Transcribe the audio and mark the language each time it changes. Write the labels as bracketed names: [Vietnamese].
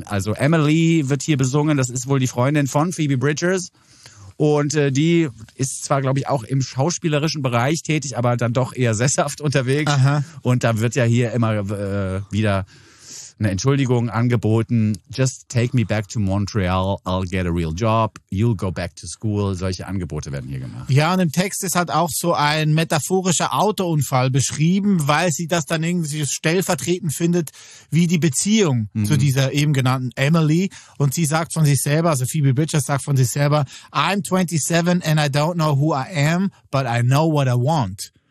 [German] Also Emily wird hier besungen, das ist wohl die Freundin von Phoebe Bridgers. Und die ist zwar, glaube ich, auch im schauspielerischen Bereich tätig, aber dann doch eher sesshaft unterwegs. Aha. Und da wird ja hier immer wieder eine Entschuldigung angeboten. [English] Just take me back to Montreal, I'll get a real job, you'll go back to school. [German] Solche Angebote werden hier gemacht. Ja, und im Text ist halt auch so ein metaphorischer Autounfall beschrieben, weil sie das dann irgendwie stellvertretend findet, wie die Beziehung zu dieser eben genannten Emily. Und sie sagt von sich selber, also Phoebe Bridgers sagt von sich selber, [English] I'm 27 and I don't know who I am, but I know what I want.